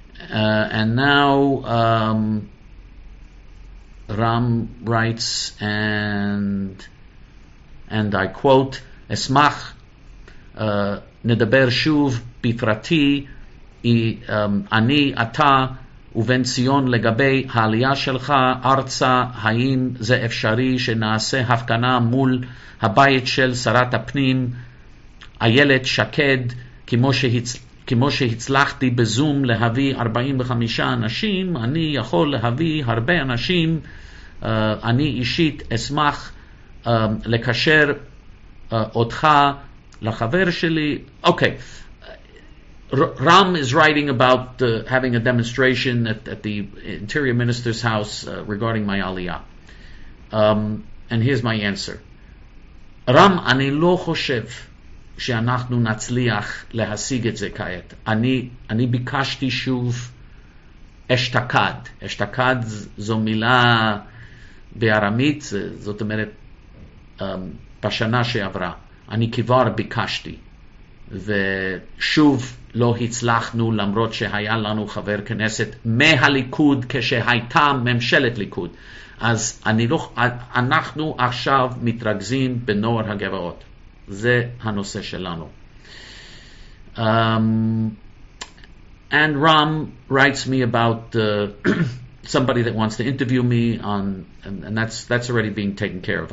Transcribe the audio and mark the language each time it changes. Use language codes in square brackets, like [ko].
[en] And now Ram writes, and I quote, [he] Esmach nedaber shuv bifrati ani ata uven zion legabei ha'aliyah shelcha arza haim ze efshari shenaaseh hafkana mul habayit shel sarat apnim ayelet shaked כמו שהצלחתי בזום להביא 45 אנשים, אני יכול להביא הרבה אנשים. אני אישית אשמח לקשר אותך לחבר שלי. [en] Okay. Ram is writing about having a demonstration at the interior minister's house regarding my aliyah. And here's my answer. Ram, [he] אני לא חושב שאנחנו נצליח להשיג את זה כעת. אני ביקשתי שוב אשתקד. אשתקד זו מילה בארמית, זאת אומרת, בשנה שעברה. אני כבר ביקשתי, ושוב לא הצלחנו, למרות שהיה לנו חבר כנסת מהליכוד כשהייתה ממשלת ליכוד. אז אנחנו עכשיו מתרכזים בנוער הגבעות. זה הנושא שלנו. [en] And Ram writes me about somebody that wants to interview me on, and that's already being taken care of.